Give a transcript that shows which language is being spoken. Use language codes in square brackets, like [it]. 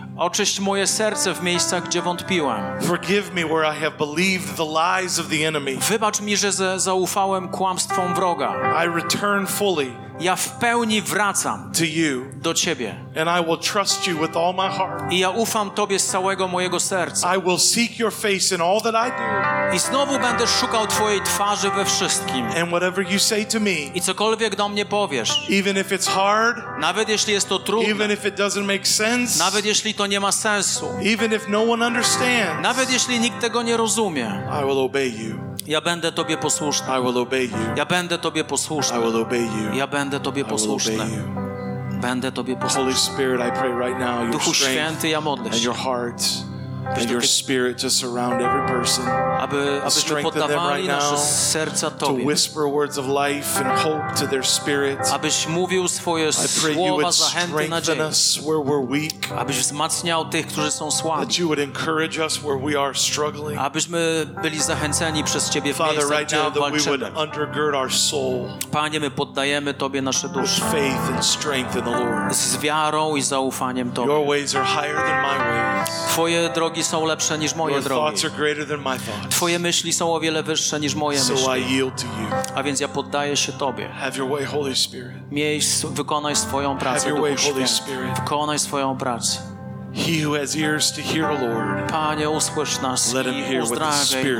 [pl] Oczyść moje serce w miejscach, gdzie wątpiłem. [en] Forgive me where I have believed the lies of the enemy. [pl] Wybacz mi, że zaufałem kłamstwom wroga. [en] I return fully. [pl] Ja w pełni wracam [en] to you, [pl] do Ciebie. [en] And I will trust you with all my heart. [pl] I ja ufam Tobie z całego mojego serca. [en] I will seek your face in all that I do. [pl] I znowu będę szukał Twojej twarzy we wszystkim. [en] And whatever you say to me, [pl] i cokolwiek do mnie powiesz, [en] even if it's hard, [pl] nawet jeśli jest to trudne, [en] even if it doesn't make sense, [pl] nawet jeśli to nie ma sensu, [en] even if no one understands, [pl] nawet jeśli nikt tego nie rozumie, [en] I will obey you. [pl] Ja będę Tobie posłuszny. [en] I will obey you. [pl] Ja będę Tobie posłuszny. [en] I will obey you. [pl] Ja będę Tobie posłuszny. [en] I will obey you. [pl] Będę Tobie posłuszny. [en] Holy Spirit, I pray right now, your [pl] Duchu [en] strength [pl] Święty, ja modlę się. [en] And your heart and your spirit to surround every person. [pl] Abyśmy poddawali nasze serca Tobie. [en] To whisper words of life and hope to their spirit. [pl] Abyś mówił swoje słowa zachęty i nadziei. [en] Us where we're weak. [pl] Abyś wzmacniał tych, którzy są słabi. [en] That you would encourage us where we are struggling. [pl] Abyśmy byli zachęceni przez Ciebie w miejscach, gdzie walczymy. [en] Father, right now, that we would undergird our soul. [pl] Panie, my poddajemy Tobie nasze dusze. [en] With faith and strength in the Lord. [pl] Z wiarą i zaufaniem Tobie. [en] Your ways are higher than my ways. [pl] Twoje drogi są lepsze niż moje drogi. Twoje myśli są o wiele wyższe niż moje myśli. A więc ja poddaję się Tobie. Miej, wykonaj swoją pracę, Duchu Święty. Wykonaj swoją pracę. [en] He who has ears to hear, Lord, [pl] Panie, usłysz nas i uzdrawiaj nas.